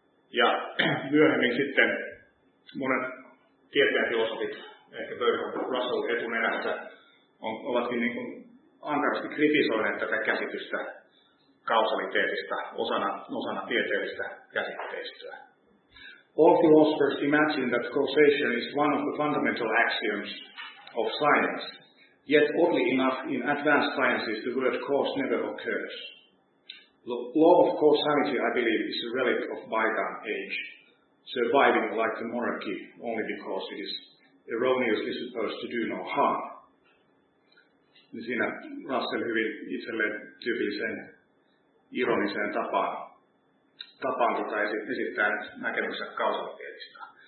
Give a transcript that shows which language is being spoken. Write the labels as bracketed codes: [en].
[fi] Ja myöhemmin sitten monen tieteen filosofit, ehkä Bertrand Russell etunenässä, ovatkin niin kuin ankarasti kritisoineet tätä käsitystä kausaliteetista osana tieteellistä käsitteistöä. [en] All philosophers imagine that causation is one of the fundamental axioms of science. Yet, oddly enough, in advanced sciences, the word cause never occurs. The law of causality, I believe, is a relic of bygone age, surviving like the monarchy only because it is erroneously supposed to do no harm. [fi] Siinä Russell hyvin itselleen tyypilliseen ironiseen tapaan tota esittää näkemyksensä kausaliteetista.